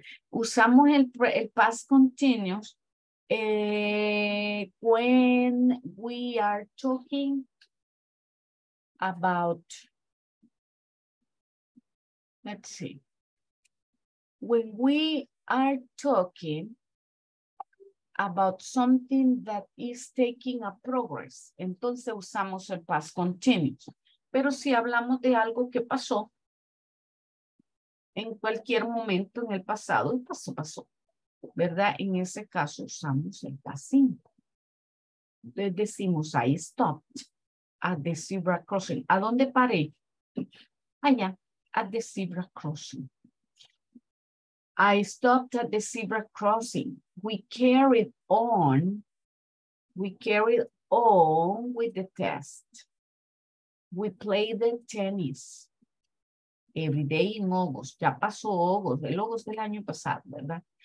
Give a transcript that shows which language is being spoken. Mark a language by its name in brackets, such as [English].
[Spanish] Usamos el [English] past continuous when we are talking about, let's see, when we are talking about something that is taking a progress. [Spanish] Entonces usamos el past continuous. Pero si hablamos de algo que pasó en cualquier momento en el pasado, y pasó, ¿verdad? En ese caso usamos el past simple. Entonces decimos, [English] I stopped at the zebra crossing. [Spanish] ¿A dónde paré? Allá, [English] at the zebra crossing. I stopped at the zebra crossing. We carried on with the test. We played the tennis every day in August. [Spanish] Ya pasó August, el August del año pasado, ¿verdad?